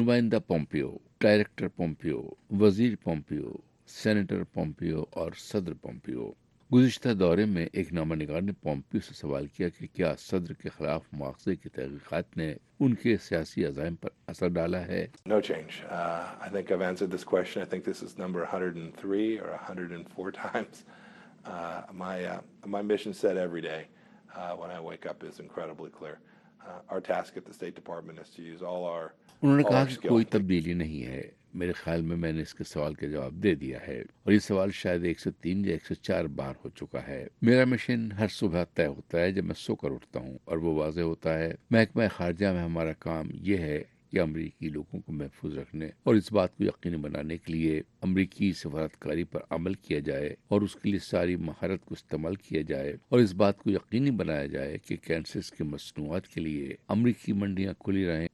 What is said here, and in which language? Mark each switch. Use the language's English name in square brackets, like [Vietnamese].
[Urdu] نمائندہ Pompeo, director Pompeo, وزیر Pompeo, senator Pompeo اور صدر پومپیو۔ گزشتہ دورے میں ایک نامہ نگار نے پومپیو سے سوال کیا کہ کیا صدر کے خلاف مواخذے کی تحقیقات نے ان کے سیاسی عزائم پر اثر ڈالا ہے۔ [English] No change. I think I've answered this question. I think this is number 103 or 104 times. My mission set every day when I wake up is incredibly clear. Our task at the State Department is to use all our [Urdu] انہوں نے کہا کہ کوئی تبدیلی نہیں ہے. میرے خیال میں میں نے اس کے سوال کا جواب دے دیا ہے, اور یہ سوال شاید 103 یا 104 بار ہو چکا ہے. میرا مشن ہر صبح طے ہوتا ہے جب میں سو کر اٹھتا ہوں, اور وہ واضح ہوتا ہے محکمہ خارجہ میں ہمارا کام یہ ہے کہ امریکی لوگوں کو محفوظ رکھنے اور اس بات کو یقینی بنانے کے لیے امریکی سفارتکاری پر عمل کیا جائے, اور اس کے لیے ساری مہارت کو استعمال کیا جائے, اور اس بات کو یقینی بنایا جائے کہ کینسرز کے مصنوعات کے لیے امریکی منڈیاں کھلی رہیں.